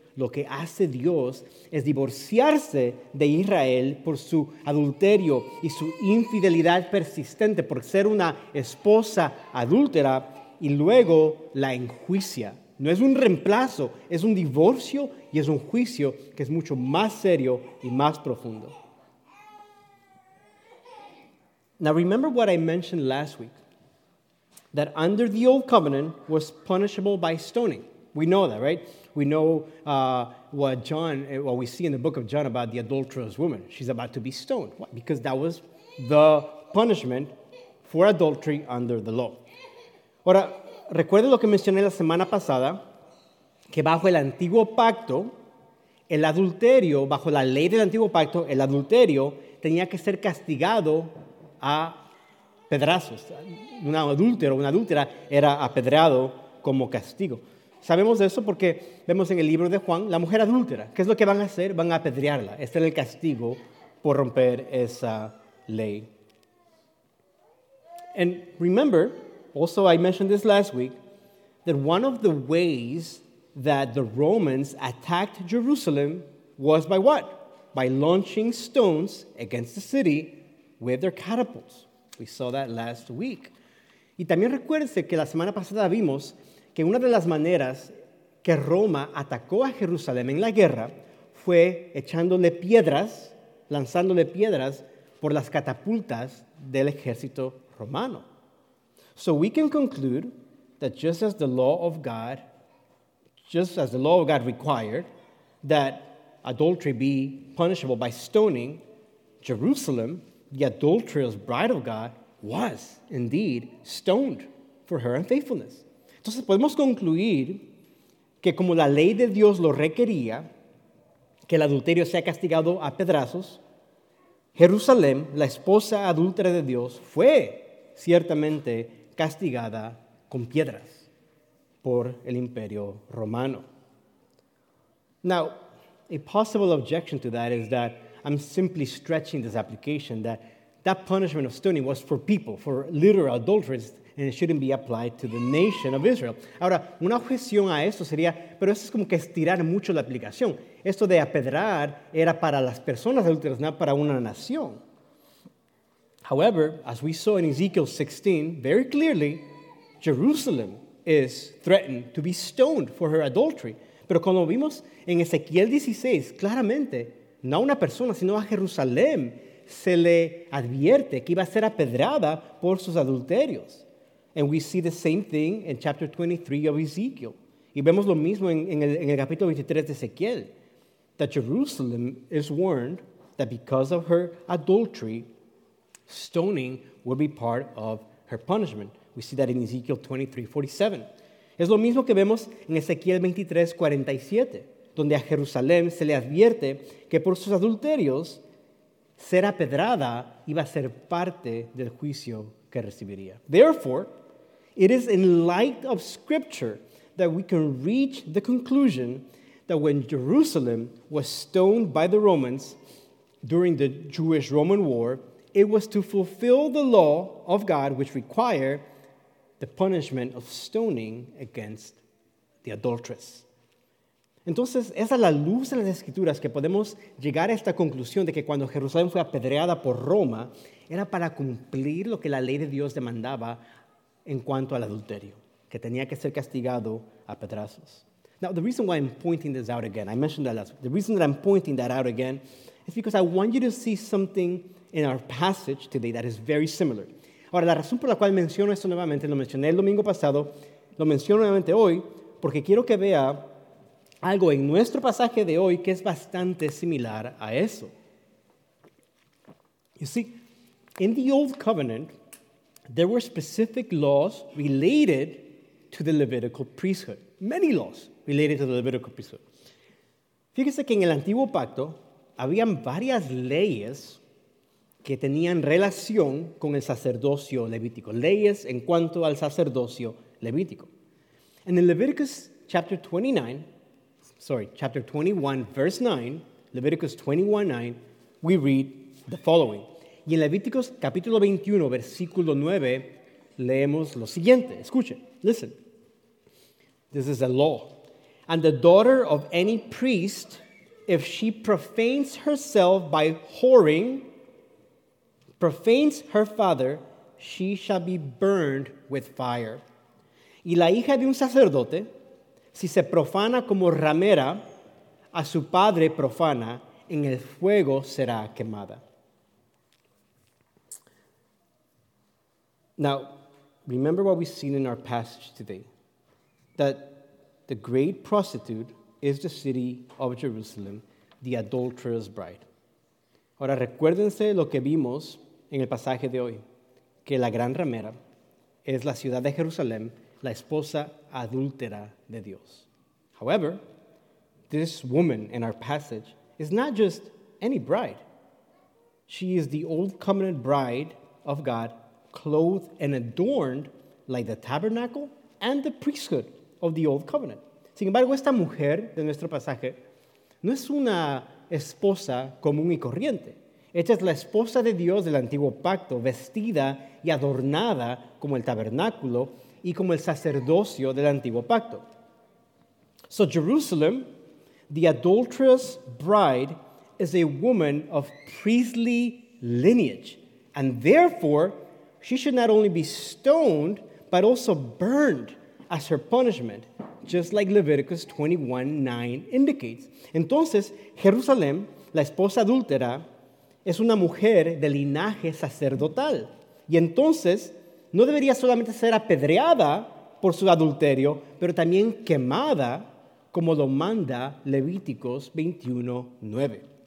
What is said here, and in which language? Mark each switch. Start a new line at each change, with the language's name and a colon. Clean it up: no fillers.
Spanish: Lo que hace Dios es divorciarse de Israel por su adulterio y su infidelidad persistente, por ser una esposa adúltera, y luego la enjuicia. No es un reemplazo, es un divorcio y es un juicio que es mucho más serio y más profundo.
English: Now remember what I mentioned last week, that under the old covenant was punishable by stoning. We know that, right? We know what we see in the book of John about the adulterous woman. She's about to be stoned. Why? Because that was the punishment for adultery under the law.
Spanish: Ahora, recuerden lo que mencioné la semana pasada, que bajo el antiguo pacto, el adulterio, bajo la ley del antiguo pacto, el adulterio tenía que ser castigado a pedrazos. Un adúltero, una adúltera, era apedreado como castigo. Sabemos de eso porque vemos en el libro de Juan, la mujer adúltera. ¿Qué es lo que van a hacer? Van a apedrearla. Este es el castigo por romper esa ley.
English: And remember, also I mentioned this last week, that one of the ways that the Romans attacked Jerusalem was by what? By launching stones against the city with their catapults. We saw that last week.
Spanish: Y también recuérdense que la semana pasada vimos que una de las maneras que Roma atacó a Jerusalén en la guerra fue lanzándole piedras por las catapultas del ejército romano.
English: So we can conclude that just as the law of God required that adultery be punishable by stoning, Jerusalem, the adulterous bride of God, was indeed stoned for her unfaithfulness.
Spanish: Entonces, podemos concluir que como la ley de Dios lo requería, que el adulterio sea castigado a pedrazos, Jerusalén, la esposa adúltera de Dios, fue ciertamente castigada con piedras por el imperio romano.
English: Now, a possible objection to that is that I'm simply stretching this application, that punishment of stoning was for people, for literal adulterers. and it shouldn't be applied to the nation of Israel.
Spanish: Ahora, una objeción a esto sería, pero eso es como que estirar mucho la aplicación. Esto de apedrear era para las personas adúlteras, no para una nación.
English: However, as we saw in Ezekiel 16, very clearly, Jerusalem is threatened to be stoned for her adultery.
Spanish: Pero cuando vimos en Ezequiel 16, claramente, no a una persona, sino a Jerusalén, se le advierte que iba a ser apedrada por sus adulterios.
English: And we see the same thing in chapter 23 of Ezekiel.
Spanish: Y vemos lo mismo en el capítulo 23 de Ezequiel.
English: That Jerusalem is warned that because of her adultery, stoning will be part of her punishment. We see that in Ezekiel 23:47.
Spanish: Es lo mismo que vemos en Ezequiel 23:47, donde a Jerusalén se le advierte que por sus adulterios ser apedrada iba a ser parte del juicio que recibiría.
English: Therefore, it is in light of Scripture that we can reach the conclusion that when Jerusalem was stoned by the Romans during the Jewish-Roman War, it was to fulfill the law of God which required the punishment of stoning against the adulteress.
Spanish: Entonces, es a la luz de las Escrituras que podemos llegar a esta conclusión de que cuando Jerusalén fue apedreada por Roma, era para cumplir lo que la ley de Dios demandaba en cuanto al adulterio, que tenía que ser castigado a pedrazos.
English: Now, the reason why I'm pointing this out again, I mentioned that last week, the reason that I'm pointing that out again is because I want you to see something in our passage today that is very similar.
Spanish: Ahora, la razón por la cual menciono esto nuevamente, lo mencioné el domingo pasado, lo menciono nuevamente hoy, porque quiero que vea algo en nuestro pasaje de hoy que es bastante similar a eso.
English: You see, in the Old Covenant, there were specific laws related to the Levitical priesthood. Many laws related to the Levitical priesthood.
Spanish: Fíjese que en el Antiguo Pacto, habían varias leyes que tenían relación con el sacerdocio levítico. Leyes en cuanto al sacerdocio levítico. En el
English: Leviticus chapter 29, sorry, chapter 21, verse 9, Leviticus 21, 9, we read the following.
Spanish: Y en Levíticos capítulo 21, versículo 9, leemos lo siguiente. Escuche,
English: listen. This is a law. And the daughter of any priest, if she profanes herself by whoring, profanes her father, she shall be burned with fire.
Spanish: Y la hija de un sacerdote, si se profana como ramera, a su padre profana, en el fuego será quemada.
English: Now, remember what we've seen in our passage today, that the great prostitute is the city of Jerusalem, the adulterous bride.
Spanish: Ahora, recuérdense lo que vimos en el pasaje de hoy, que la gran ramera es la ciudad de Jerusalén, la esposa adúltera de Dios.
English: However, this woman in our passage is not just any bride. She is the old covenant bride of God, clothed and adorned like the tabernacle and the priesthood of the old covenant.
Spanish: Sin embargo, esta mujer de nuestro pasaje no es una esposa común y corriente. Ella es la esposa de Dios del antiguo pacto, vestida y adornada como el tabernáculo y como el sacerdocio del antiguo pacto.
English: So Jerusalem, the adulterous bride, is a woman of priestly lineage. And therefore, she should not only be stoned, but also burned as her punishment, just like Leviticus 21:9 indicates.
Spanish: Entonces, Jerusalén, la esposa adúltera, es una mujer de linaje sacerdotal. Y entonces, no debería solamente ser apedreada por su adulterio, pero también quemada, como lo manda Levíticos 21:9.